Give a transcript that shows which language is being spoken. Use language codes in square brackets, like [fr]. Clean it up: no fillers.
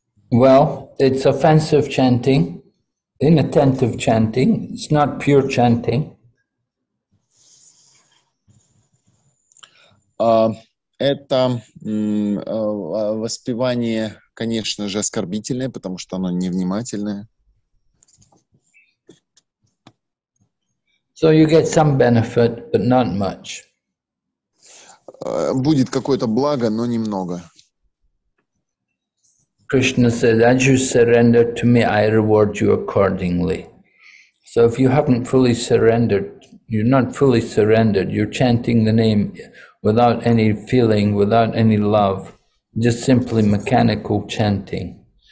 [en] Well, it's offensive chanting, inattentive chanting. It's not pure chanting. [ru] Это воспевание, конечно же, оскорбительное, потому что оно невнимательное. [en] So you get some benefit, but not much. [ru] Будет какое-то благо, но немного. [en] Krishna says, as you surrender to me, I reward you accordingly. So if you haven't fully surrendered, you're not fully surrendered, you're chanting the name without any feeling, without any love, just simply mechanical chanting.